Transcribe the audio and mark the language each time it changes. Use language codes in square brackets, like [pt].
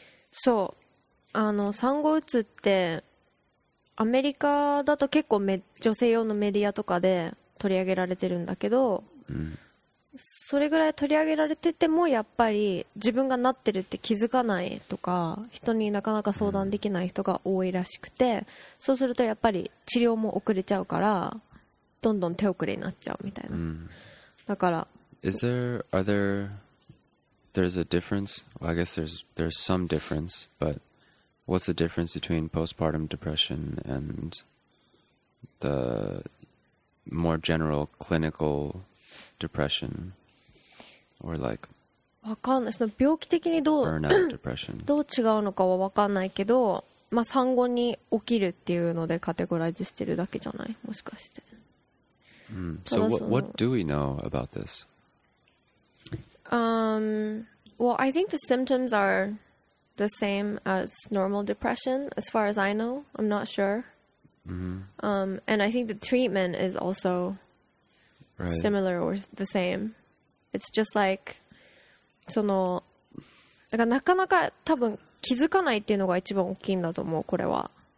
[ja] So, 産後うつってアメリカだと結構女性用のメディアとかで取り上げられてるんだけど、それぐらい取り上げられててもやっぱり自分がなってるって気づかないとか、人になかなか相談できない人が多いらしくて、そうするとやっぱり治療も遅れちゃうから、どんどん手遅れになっちゃうみたいな。だから [en] Is there, are there, there's a difference? Well, I guess there's some difference, but what's the difference between postpartum depression and the more general clinicalDepression, or like, [ja] 分かんない、その病気的にどう、どう違うのかは分かんないけど、まあ、産後に起きるっていうのでカテゴライズしてるだけじゃない、もしかして。 [en] So what do we know about this? Well, I think the symptoms are the same as normal depression, as far as I know. I'm not sure. And I think the treatment is also. Right. Similar or the same. It's just like, [ja] その、だからなかなか多分気づかないっていうのが一番大きいんだと思う、これは。